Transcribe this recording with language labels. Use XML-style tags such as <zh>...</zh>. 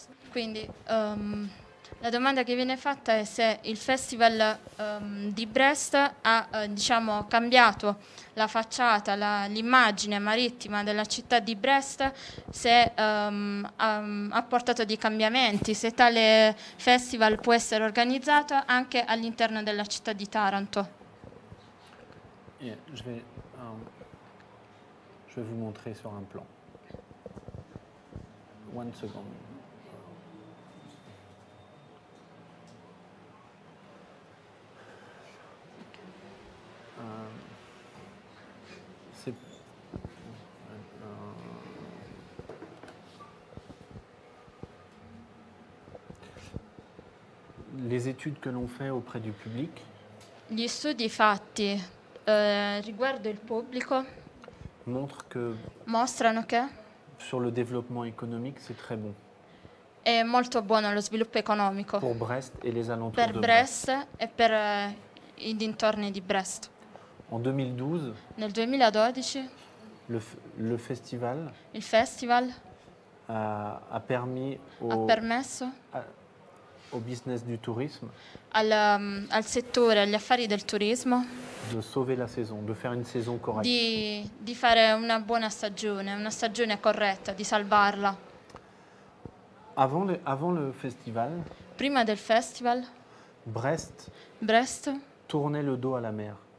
<it>Quindi la domanda che viene fatta è se il festival di Brest ha diciamo cambiato la facciata, l'immagine marittima della città di Brest, se ha portato dei cambiamenti, se tale festival può essere organizzato anche all'interno della città di Taranto.</it> <fr>Je vais vous montrer sur un plan.</fr> <en>One second.</en> <fr>Les études que l'on fait auprès du public.</fr> <it>Gli studi fatti riguardo il pubblico mostrano che</it> <fr>sur le développement économique c'est très bon.</fr> <it>È molto buono lo sviluppo economico</it> <fr>pour Brest et les alentours</fr> <it>per Brest e per i dintorni di Brest.</it> <fr>En 2012,</fr> <it>nel 2012,</it> <fr>le festival,</fr> <it>il festival</it> <fr>a permis</fr> <it>ha permesso al</it> <fr>business du tourisme,</fr> <it>al settore, agli affari del turismo,</it> <fr>de sauver la saison, de faire une saison correcte.</fr> <it>Di fare una buona stagione, una stagione corretta, di salvarla.</it> <fr>Avant le festival,</fr> <it>prima del festival,</it> <fr>Brest tournait le dos à la mer.</fr>